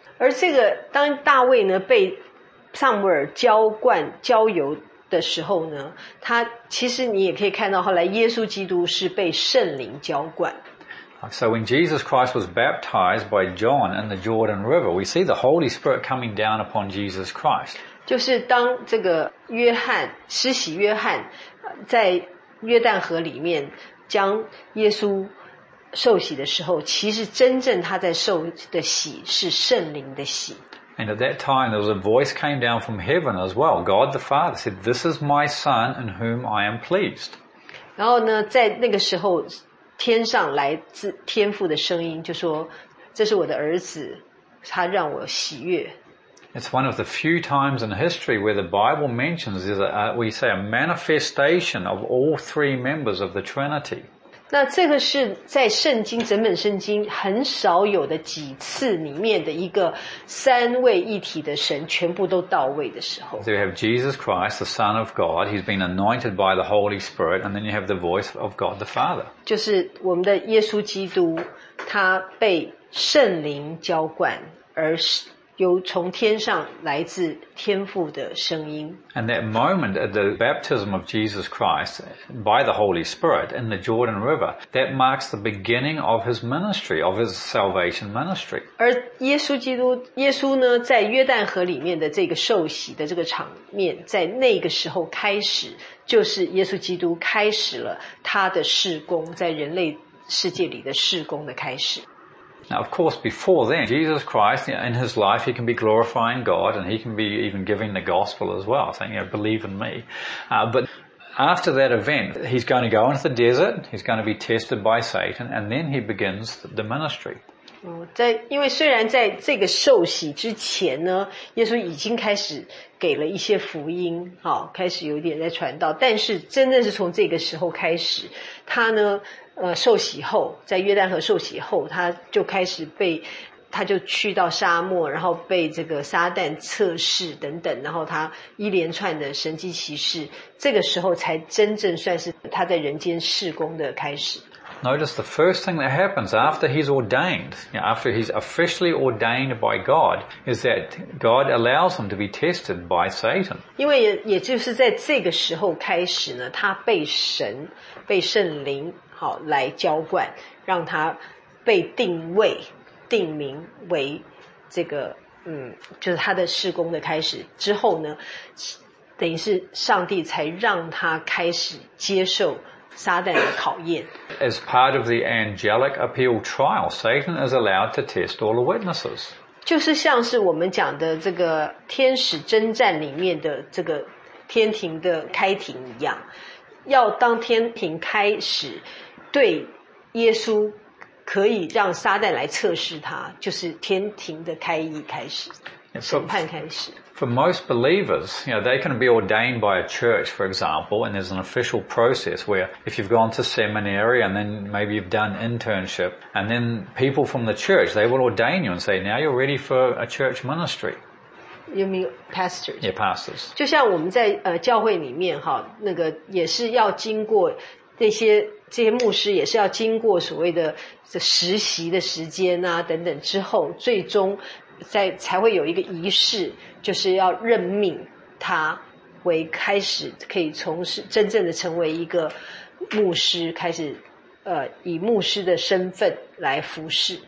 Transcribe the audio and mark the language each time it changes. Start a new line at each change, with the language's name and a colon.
Chinese: 而这个当大卫呢被撒母耳浇灌浇油的时候呢，他其实你也可以看到后来耶稣基督是被圣灵浇灌。
English: So when Jesus Christ was baptized by John in the Jordan River, we see the Holy Spirit coming down upon Jesus Christ.
Chinese: 就是当这个约翰施洗约翰在约旦河里面将耶稣受洗的时候，其实真正他在受的洗是圣灵的洗。
English: And at that time there was a voice came down from heaven as well. God the Father said, This is my Son in whom I am pleased.
Chinese: 然后呢，在那个时候天上来自天父的声音就说，这是我的儿子，他让我喜悦。
English: It's one of the few times in history where the Bible mentions we say a manifestation of all three members of the Trinity.
Chinese: 那这个是在圣经整本圣经很少有的几次里面的一个三位一体的神全部都到位的时候。
English: So you have Jesus Christ, the Son of God, He's been anointed by the Holy Spirit, and then you have the voice of God the Father.
Chinese: 就是我们的耶稣基督，他被圣灵浇灌，而是由从天上来自天父的声音。
English: And that moment at the baptism of Jesus Christ by the Holy Spirit in the Jordan River, that marks the beginning of his ministry, of his salvation ministry.
Chinese: 而耶稣基督，耶稣呢，在约旦河里面的这个受洗的这个场面，在那个时候开始，就是耶稣基督开始了他的事工，在人类世界里的事工的开始。
English: Now, of course, before then, Jesus Christ, in his life, he can be glorifying God, and he can be even giving the gospel as well, saying, you know, believe in me. But after that event, he's going to go into the desert, he's going to be tested by Satan, and then he begins the ministry.
Chinese: 因为虽然在这个受洗之前呢，耶稣已经开始给了一些福音，开始有点在传道，但是真的是从这个时候开始，他呢受洗后，在约旦河受洗后，他就开始被，他就去到沙漠，然后被这个撒旦测试等等，然后他一连串的神迹奇事，这个时候才真正算是他在人间事工的开始。
English: Notice the first thing that happens after he's ordained, you know, after he's officially ordained by God, is that God allows him to be tested by Satan.
Chinese: 因为 也就是在这个时候开始呢，他被神，被圣灵好来浇灌，让他被定位定名为这个就是他的事工的开始之后呢，等于是上帝才让他开始接受撒旦的考验。
English: As part of the angelic appeal trial, Satan is allowed to test all the witnesses.
Chinese: 就是像是我们讲的这个天使征战里面的这个天庭的开庭一样，要当天庭开始对耶稣可以让撒旦来测试他，就是天庭的开议开始，审判开始。
English: For most believers, you know, they can be ordained by a church, for example, and there's an official process where if you've gone to seminary and then maybe you've done internship, and then people from the church, they will ordain you and say, now you're ready for a church ministry. You mean pastors? Yeah, pastors.
Chinese: 就像我们在教会里面哈，那个也是要经过那些这些牧师也是要经过所谓的实习的时间啊等等之后，最终在才会有一个仪式，就是要任命他为开始可以从事真正的成为一个牧师，开始以牧师的身份来服侍。